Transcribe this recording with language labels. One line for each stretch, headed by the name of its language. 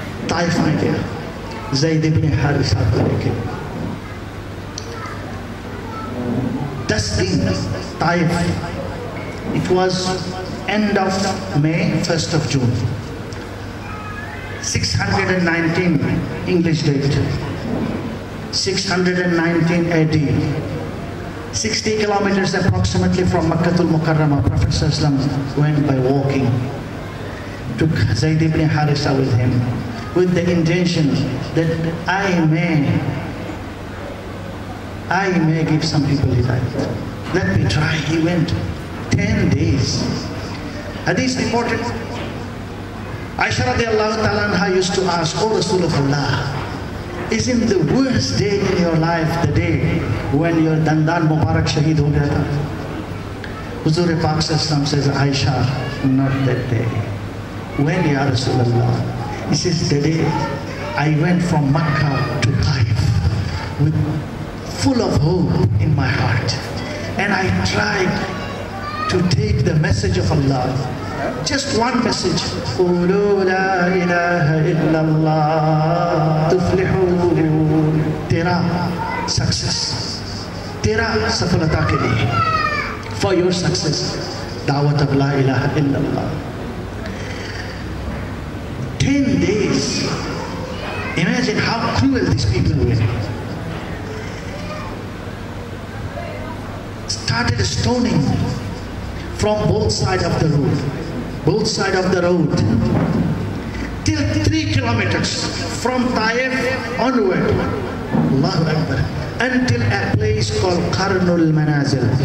Urdu: طائف آئے گیا زید بن حارثہ کو لے کے, 10 دن Taif.
English: It was end of May, first of June, 619 English date, 619 AD. 60 kilometers approximately from Makkah al-Mukarramah, Prophet sallallahu alaihi wasallam went by walking, took Zayd ibn Harithah with him, with the intention that I may give some people hidayat. Let me try. He went 10 days. Hadith reported, Aisha radiallahu ta'ala anha used to ask, O Rasul of Allah, isn't the worst day in your life the day when your Dandan Mubarak
Urdu: shaheed ho gaya tha?
English: Huzur Pak Sassam says, Aisha, not that day. When, Ya Rasulullah? This is the day I went from Makkah to Taif with full of hope in my heart. And I tried to take the message of Allah. Just one message.
Arabic: قُلُوا لَا إِلَهَ إِلَّا اللَّهُ تُفْلِحُونَ.
Urdu: تیرا
Arabic: success,
Urdu: تیرا سفلتا کے لیے,
English: for your success,
Urdu: دعوت اب
Arabic: لا الہ الا اللہ.
English: 10 days, imagine how cruel these people were. Started stoning from both sides of the road, both sides of the road, till 3 kilometers from Taif onward, Allahu Akbar, until a place called Qarnul Manazil.